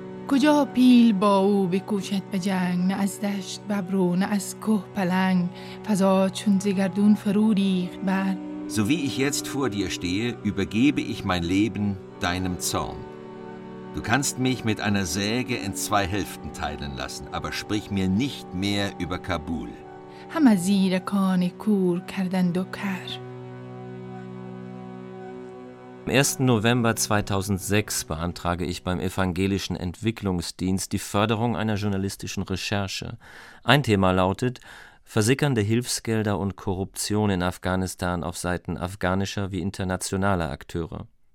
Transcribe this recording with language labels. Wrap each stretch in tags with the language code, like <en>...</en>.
<fa>کجا پیل با او بکوشد به جنگ نه از دشت ببرو نه از کوه پلنگ فضا چون زگردون فرو ریخت بر</fa> <de>So wie ich jetzt vor dir stehe, übergebe ich mein Leben deinem Zorn. Du kannst mich mit einer Säge in zwei Hälften teilen lassen, aber sprich mir nicht mehr über Kabul.</de> <fa>همه زیر کان کور کردند و کر</fa> <de>Am 1. November 2006 beantrage ich beim Evangelischen Entwicklungsdienst die Förderung einer journalistischen Recherche. Ein Thema lautet: Versickernde Hilfsgelder und Korruption in Afghanistan auf Seiten afghanischer wie internationaler Akteure.</de>